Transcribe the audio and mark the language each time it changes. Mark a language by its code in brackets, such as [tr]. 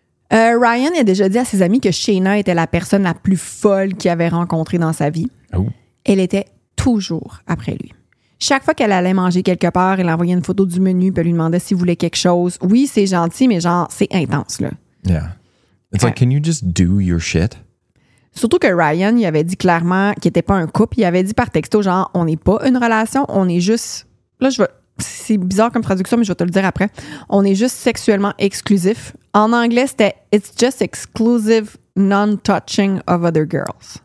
[fr] Ryan a déjà dit à ses amis que Shayna était la personne la plus folle qu'il avait rencontrée dans sa vie. Oh. Elle était toujours après lui. Chaque fois qu'elle allait manger quelque part, elle envoyait une photo du menu puis elle lui demandait s'il voulait quelque chose. Oui, c'est gentil, mais genre, c'est intense, là. [en] Yeah. It's like, can you just do your shit? [fr] Surtout que Ryan, il avait dit clairement qu'il n'était pas un couple. Il avait dit par texto, genre, on n'est pas une relation, on est juste... Là, je veux... C'est bizarre comme traduction, mais je vais te le dire après. On est juste sexuellement exclusif. En anglais, c'était « It's just exclusive non-touching of other girls ».